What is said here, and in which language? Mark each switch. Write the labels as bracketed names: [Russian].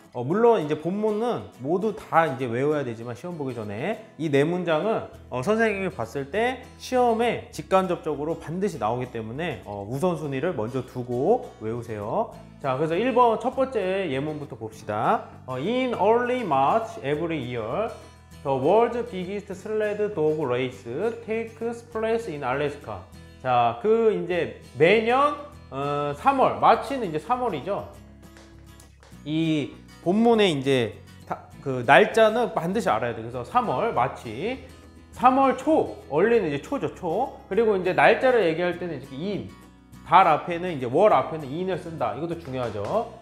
[Korean] 물론 이제 본문은 모두 다 이제 외워야 되지만 시험 보기 전에 이 네 문장은 선생님이 봤을 때 시험에 직간접적으로 반드시 나오기 때문에 우선순위를 먼저 두고 외우세요. 자, 그래서 1번 첫 번째 예문부터 봅시다. [English] In early March every year, the world's biggest sled dog race takes place in Alaska. [Korean] 자, 그 이제 매년 3월, 마치는 이제 3월이죠. 이 본문의 이제 그 날짜는 반드시 알아야 돼. 그래서 3월, 마치 3월 초, 얼리는 이제 초죠, 초. 그리고 이제 날짜를 얘기할 때는 이제 in, 달 앞에는 이제 월 앞에는 in을 쓴다. 이것도 중요하죠.